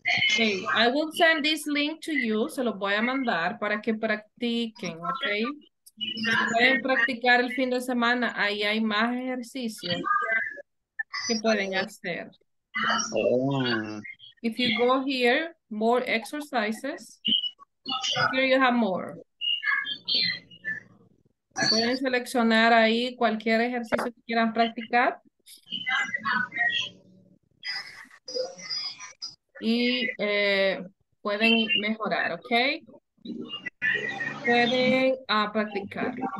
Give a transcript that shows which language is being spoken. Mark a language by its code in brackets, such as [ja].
[en] Okay, I will send this link to you. [es] Se lo voy a mandar para que practiquen, okay? Pueden practicar el fin de semana, ahí hay más ejercicios que pueden hacer. Oh. [en] If you go here, more exercises, here you have more. [es] Pueden seleccionar ahí cualquier ejercicio que quieran practicar. Y pueden mejorar, ¿ok? Pueden practicar.